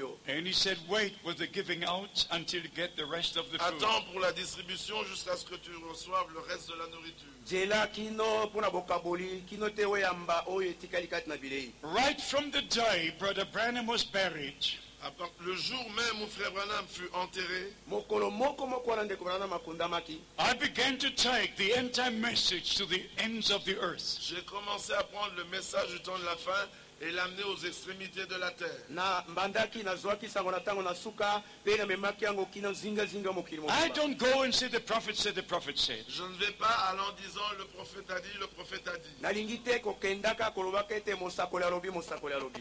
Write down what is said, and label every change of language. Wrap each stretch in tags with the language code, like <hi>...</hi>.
<en>And he said, wait for the giving out until you get the rest of the food.</en> <fr>Attends pour la distribution jusqu'à ce que tu reçoives le reste de la nourriture.</fr> <en>Right from the day Brother Branham was buried,</en> <fr>le jour même où Frère Branham fut enterré,</fr> <en>I began to take the entire message to the ends of the earth.</en> <fr>J'ai commencé à prendre le message du temps de la fin et l'amener aux extrémités de la terre.</fr> <en>I don't go and say the prophet said.</en> <fr>Je ne vais pas allant disant le prophète a dit, le prophète a dit.</fr>